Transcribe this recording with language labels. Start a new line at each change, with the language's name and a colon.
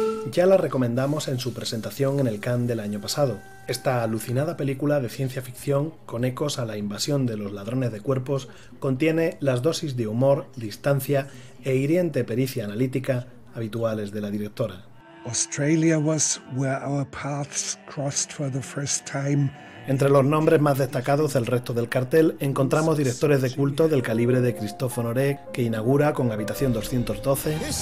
Spanish: Ya la recomendamos en su presentación en el Cannes del año pasado. Esta alucinada película de ciencia ficción, con ecos a la invasión de los ladrones de cuerpos, contiene las dosis de humor, distancia e hiriente pericia analítica habituales de la directora.
English: Australia was where our paths crossed for the first time.
Spanish: Entre los nombres más destacados del resto del cartel encontramos directores de culto del calibre de Christophe Honoré, que inaugura con Habitación 212.